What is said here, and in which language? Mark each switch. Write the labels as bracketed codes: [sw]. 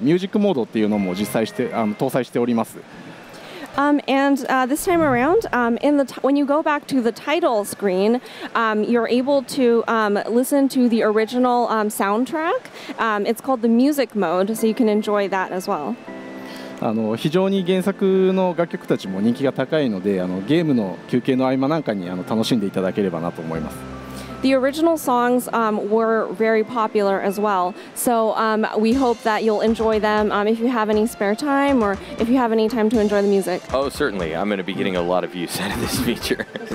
[ja] あの、今回、コレクションオブマナではクイックセーブ、クイックロードの機能とかを実装してるんですが、それ以外にもタイトル画面にて原作のBGMを楽しめるミュージックモードっていうのも実際して搭載しておりますと。 [en] This time around, when you go back to the title screen, you're able to listen to the original soundtrack. It's called the music mode, so you can enjoy that as well. [ja] あの、非常に原作の楽曲たちも人気が高いので、ゲームの休憩の合間なんかに楽しんでいただければなと思います。 [en] The original songs were very popular as well, so we hope that you'll enjoy them if you have any spare time or if you have any time to enjoy the music. Oh, certainly. I'm going to be getting a lot of use out of this feature.